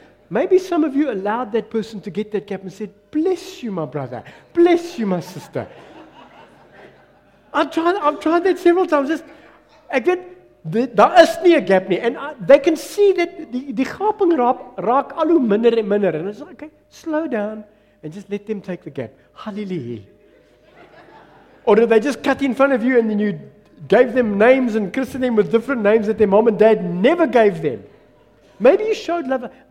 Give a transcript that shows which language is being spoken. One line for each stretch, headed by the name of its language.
English: Maybe some of you allowed that person to get that cap and said, bless you, my brother. Bless you, my sister. I've tried that several times.
Afrikaans: Just, ek weet, daar is nie 'n gap nie.
English: And they can see that
Afrikaans: die gaping raak al hoe minder en minder.
English: And it's like, okay, slow down and just let them take the gap. Hallelujah. Or did they just cut in front of you and then you gave them names and christened them with different names that their mom and dad never gave them? Maybe you showed love.